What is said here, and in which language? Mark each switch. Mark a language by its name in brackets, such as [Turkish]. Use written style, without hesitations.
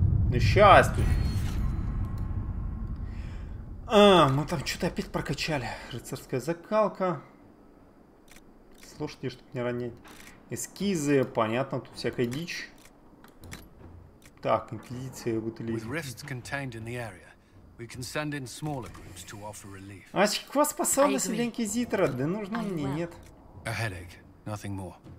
[Russian] Ну сейчас тут. А, мы там что-то опять прокачали. Рыцарская закалка. лошади, чтобы не ронять. Эскизы, понятно, тут всякая дичь. Так, инквизиция, бутыли. [English] With rifts contained in the area, we can send in smaller groups to offer relief. [Russian] А сколько способностей для инквизитора? Да нужно мне, нет. [English] A headache, nothing more.